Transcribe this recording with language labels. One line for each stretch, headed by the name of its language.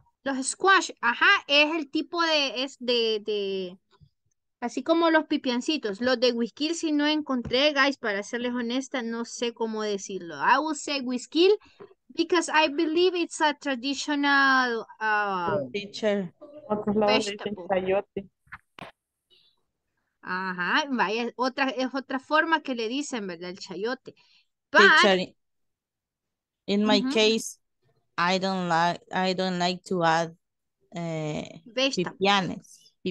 Spanish: Los squash, ajá, es el tipo de, es de, así como los pipiancitos. Los de whiskey, si no encontré, guys, para serles honesta, no sé cómo decirlo.
English: I will say whiskey because I believe it's a traditional, teacher. Vegetable.
Spanish: Ajá, vaya, es otra forma que le dicen, ¿verdad? El chayote.
English: But, teacher, in my case, I don't like to add pipianes.